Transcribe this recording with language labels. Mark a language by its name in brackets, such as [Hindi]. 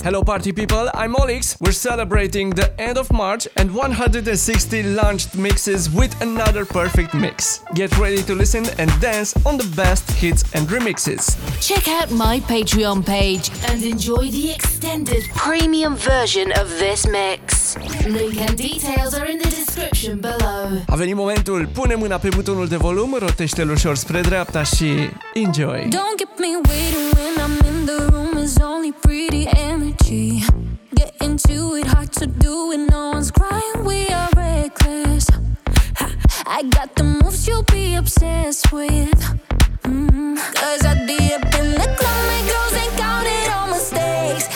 [English] Hello party people, I'm OLiX. We're celebrating the end of March and 160 launched mixes with another perfect mix. Get ready to listen and dance on the best hits and remixes. Check out my Patreon page and enjoy the extended premium version of this mix. Link and details are in the description below. [Romanian] A venit momentul, pune mâna pe butonul de volum, rotește-l ușor spre dreapta și enjoy. [English] Don't get me waiting when I'm in the room, it's only pretty energy. Get into it, hard to do when no one's crying, we are reckless. Ha, I got the moves you'll be obsessed with. Cause I'd be up in the club, my girls ain't counting all mistakes.